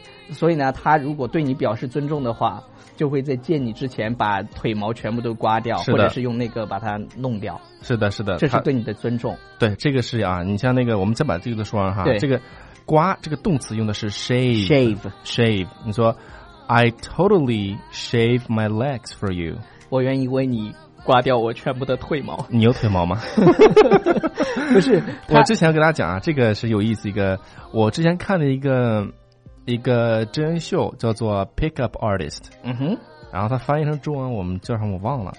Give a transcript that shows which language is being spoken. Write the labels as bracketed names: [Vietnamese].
[Chinese] 所以呢，他如果对你表示尊重的话，就会在见你之前把腿毛全部都刮掉，或者是用那个把它弄掉。是的，是的，这是对你的尊重。对，这个是啊，你像那个，我们再把这个都说完哈。对，这个刮这个动词用的是 shave， 你说。 [English] I totally shave my legs for you. [Chinese] 我愿意为你刮掉我全部的腿毛。你有腿毛吗？不是，我之前要跟大家讲啊，这个是有意思，一个我之前看的一个真人秀叫做 Pickup Artist。嗯哼，然后他翻译成中文我们叫什么我忘了，